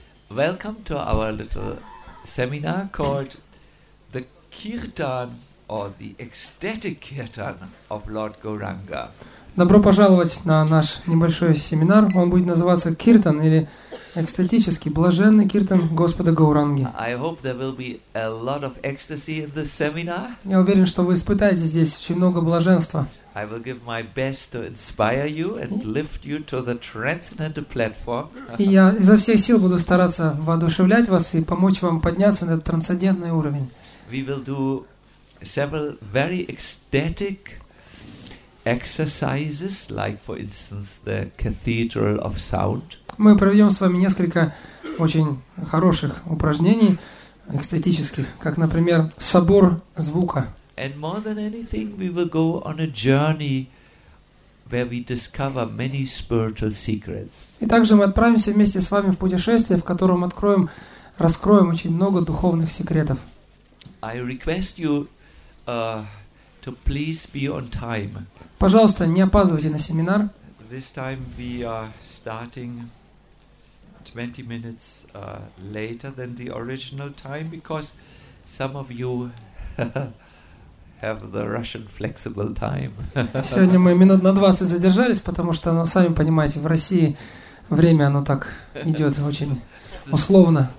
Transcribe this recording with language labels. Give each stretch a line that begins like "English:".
English: Welcome to our little seminar called the Kirtan, or the Ecstatic Kirtan of Lord Gauranga.
Russian: Добро пожаловать на наш небольшой семинар. Он будет называться «Киртан» или «Экстатический, блаженный киртан Господа Гауранги».
English: I hope there will be a lot of ecstasy in this seminar.
Russian: Я уверен, что вы испытаете здесь очень много блаженства.
English: I will give my best to inspire you and lift you to the transcendental platform.
Russian: И я изо всех сил буду стараться воодушевлять вас и помочь вам подняться на этот трансцендентный уровень.
English: We will do several very ecstatic exercises, like, for instance, the Cathedral of Sound.
Russian: Мы проведем с вами несколько очень хороших упражнений экстатических, как, например, собор звука.
English: And more than anything, we will go on a journey where we discover many spiritual secrets.
Russian: И также мы отправимся вместе с вами в путешествие, в котором откроем, раскроем очень много духовных секретов.
English: I request you to please be on time.
Russian: Пожалуйста, не опаздывайте на семинар.
English: This time we are starting 20 minutes later than the original time because some of you have the Russian flexible time.
Russian: Сегодня мы минут на 20 задержались, потому что, ну, сами понимаете, в России время, оно так идет очень условно.